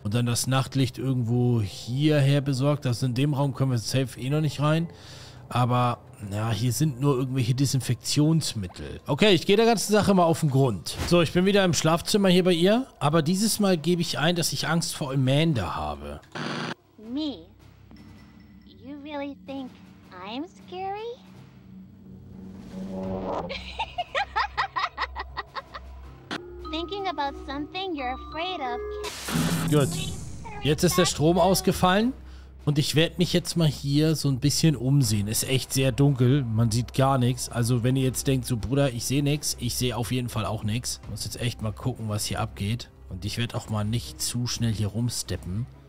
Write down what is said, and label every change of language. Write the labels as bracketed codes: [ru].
[de] Und dann das Nachtlicht irgendwo hierher besorgt. Also in dem Raum können wir safe eh noch nicht rein. Aber, ja, hier sind nur irgendwelche Desinfektionsmittel. Okay, ich gehe der ganzen Sache mal auf den Grund. So, ich bin wieder im Schlafzimmer hier bei ihr. Aber dieses Mal gebe ich ein, dass ich Angst vor Amanda habe. [en] Me. You really think I'm scary? Thinking about something you're afraid of. [de] Gut. Jetzt ist der Strom ausgefallen und ich werde mich jetzt mal hier so ein bisschen umsehen. Ist echt sehr dunkel, man sieht gar nichts. Also wenn ihr jetzt denkt, so Bruder, ich sehe nichts, ich sehe auf jeden Fall auch nichts. Muss jetzt echt mal gucken, was hier abgeht. Und ich werde auch mal nicht zu schnell hier rumsteppen.